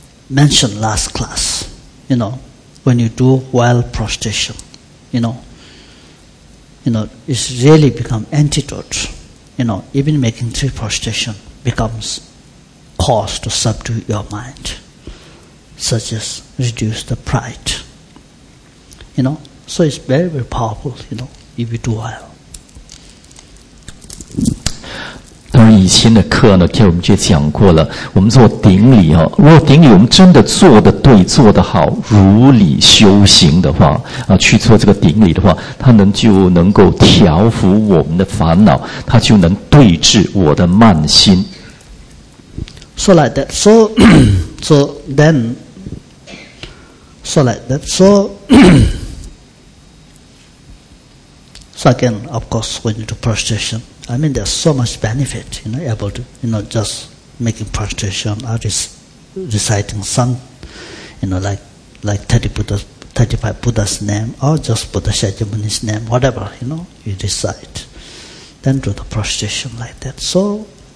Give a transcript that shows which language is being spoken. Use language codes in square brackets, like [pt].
[en] Mentioned last class, you know, when you do well prostration, you know, it's really become antidote. You know, even making 3 prostration becomes cause to subdue your mind, such as reduce the pride, you know. So it's very, very powerful, you know, if you do well. [zh] 当然，以前的课呢，给我们就讲过了。我们做顶礼哈，如果顶礼我们真的做得对、做得好、如理修行的话啊，去做这个顶礼的话，它就能够调伏我们的烦恼，它就能对治我的慢心。 [en] So like that, so so then, so like that, so so again, of course, we need to prostration. I mean, there's so much benefit, you know, able to, you know, just making prostration, artists reciting some, you know, like 35 Buddha's name, or just Buddha Shakyamuni's name, whatever, you know, you recite. Then do the prostration like that. So,